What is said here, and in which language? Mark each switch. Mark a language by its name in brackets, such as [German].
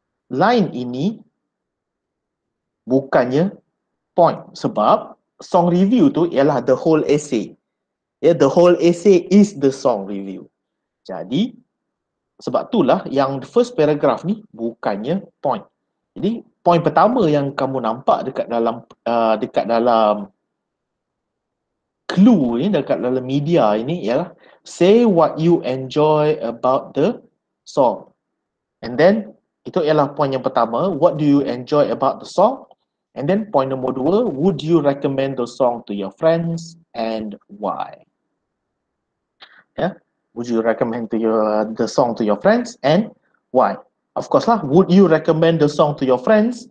[Malay] Line ini bukannya point sebab song review tu ialah [English] the whole essay. Ya, yeah, the whole essay is the song review. [Malay] Jadi, sebab itulah yang first paragraph ni bukannya point. Jadi, point pertama yang kamu nampak dekat dalam dekat dalam clue ni, dekat dalam media ini ialah [English] say what you enjoy about the song. And then, [Malay] itu ialah point yang pertama. [English] What do you enjoy about the song? And then point [Malay] nombor dua, [English] would you recommend the song to your friends and why? Yeah, would you recommend to your the song to your friends and why? Of course lah. Would you recommend the song to your friends?